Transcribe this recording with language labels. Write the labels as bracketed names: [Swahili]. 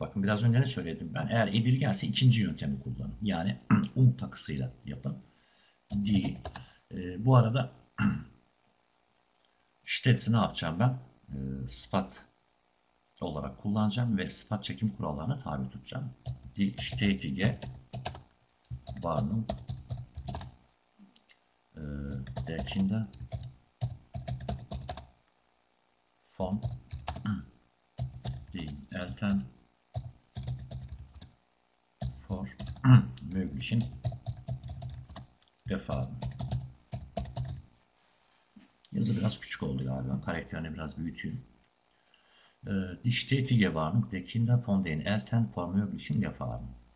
[Turkish] Bakın biraz önce ne söyledim ben? Eğer edilgense ikinci yöntemi kullanın. Yani takısıyla yapın. Die. Bu arada stets'i ne yapacağım ben? Sıfat olarak kullanacağım ve sıfat çekim kurallarına tabi tutacağım. [German] Die stetige Warnung der Kinder von den Eltern vor möglichen Gefahren. [Turkish] Yazı biraz küçük oldu galiba. Karakterini biraz büyüteyim. [German] Die stetige Warnung der Kinder von den Eltern vor möglichen Gefahren.